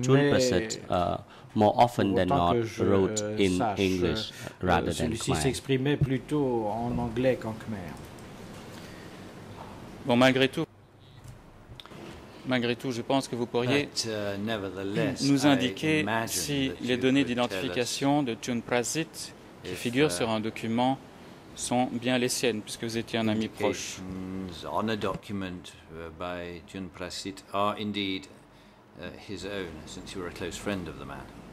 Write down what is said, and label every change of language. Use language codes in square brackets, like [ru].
[en] Junpersett more often than not wrote in English rather than Khmer. [fr] Celui-ci s'exprimait plutôt en anglais qu'en Khmer. Bon, malgré tout, je pense que vous pourriez nous indiquer si les données d'identification de Junpersett qui figurent sur un document sont bien les siennes, puisque vous étiez un ami proche. [en] On a document by Junpersett are indeed his own, since you were a close friend of the man.